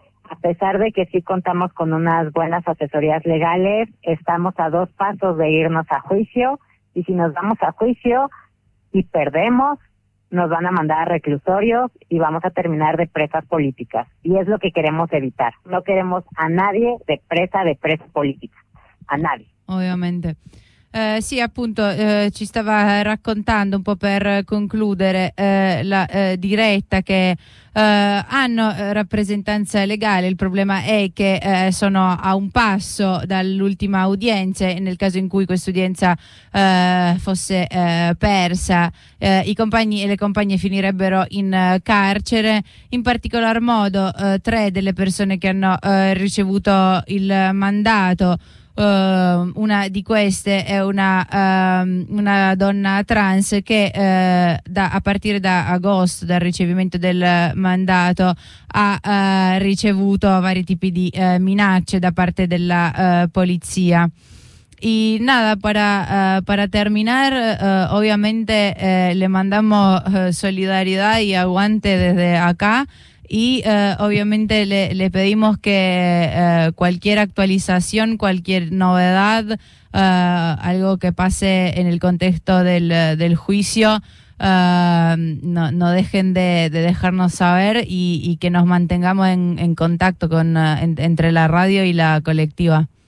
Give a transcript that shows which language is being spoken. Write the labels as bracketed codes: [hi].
[es] A pesar de que sí contamos con unas buenas asesorías legales, estamos a 2 pasos de irnos a juicio. Y si nos vamos a juicio y perdemos, nos van a mandar a reclusorios y vamos a terminar de presas políticas. Y es lo que queremos evitar. No queremos a nadie de presa política. A nadie. Obviamente. [it] Sì, appunto, ci stava raccontando un po' per concludere la diretta che hanno rappresentanza legale. Il problema è che sono a un passo dall'ultima udienza, e nel caso in cui questa udienza fosse persa, i compagni e le compagne finirebbero in carcere. In particolar modo, tre delle persone che hanno ricevuto il mandato. Una di queste è una donna trans che a partire da agosto, dal ricevimento del mandato, ha ricevuto vari tipi di minacce da parte della polizia. [es] Y nada, para terminar, obviamente le mandamos solidaridad y aguante desde acá. Y obviamente le pedimos que cualquier actualización, cualquier novedad, algo que pase en el contexto del juicio, no dejen de dejarnos saber y que nos mantengamos en contacto con entre la radio y la colectiva.